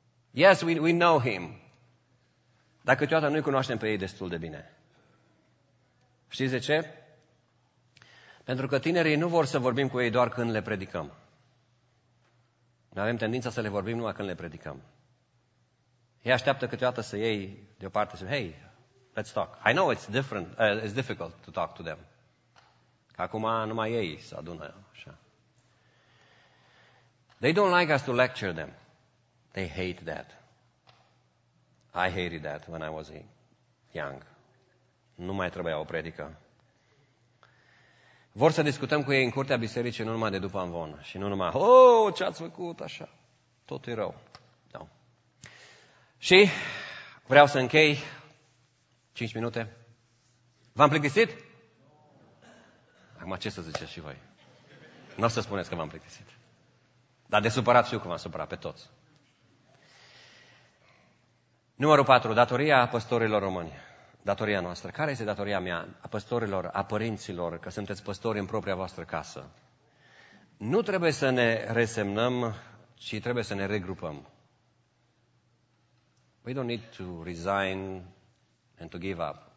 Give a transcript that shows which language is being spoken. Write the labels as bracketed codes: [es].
[en] Yes, we know him. [ro] Dar câteodată nu-i cunoaștem pe ei destul de bine. Știți de ce? Pentru că tinerii nu vor să vorbim cu ei doar când le predicăm. Noi avem tendința să le vorbim numai când le predicăm. Ei așteaptă câteodată să iei deoparte și hei, [en] let's talk. I know it's difficult to talk to them. [ro] Că acum numai ei se adună așa. [en] They don't like us to lecture them. They hate that. I hated that when I was young. [ro] Nu mai trebuia o predică. Vor să discutăm cu ei în curtea bisericii, nu numai de după amvon. Și nu numai, ce ați făcut așa? Tot e rău. Da. Și vreau să închei. 5 minute. V-am plictisit? Acum ce să ziceți și voi? Nu o să spuneți că v-am plictisit. Dar de supărat știu că v-am supărat pe toți. Numărul 4. Datoria păstorilor români. Datoria noastră. Care este datoria mea? A păstorilor, a părinților, că sunteți păstori în propria voastră casă. Nu trebuie să ne resemnăm, ci trebuie să ne regrupăm. [en] We don't need to resign and to give up.